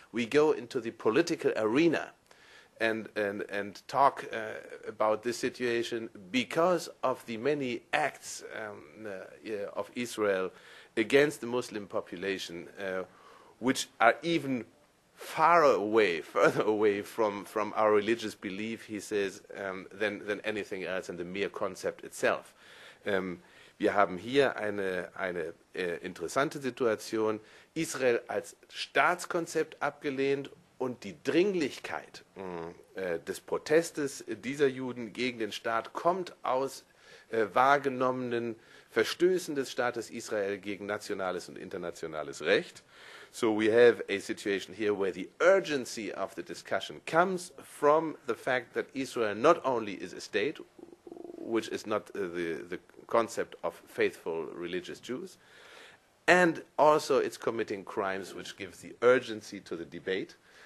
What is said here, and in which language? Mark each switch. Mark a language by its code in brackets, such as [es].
[en] We go into the political arena and talk about this situation because of the many acts of Israel against the Muslim population, which are even further away from our religious belief, he says, than anything else and the mere concept itself. [de] Wir haben hier eine interessante Situation, Israel als Staatskonzept abgelehnt und die Dringlichkeit des Protestes dieser Juden gegen den Staat kommt aus wahrgenommenen Verstößen des Staates Israel gegen nationales und internationales Recht. [en] So we have a situation here where the urgency of the discussion comes from the fact that Israel not only is a state, which is not the concept of faithful religious Jews, and also it's committing crimes which gives the urgency to the debate.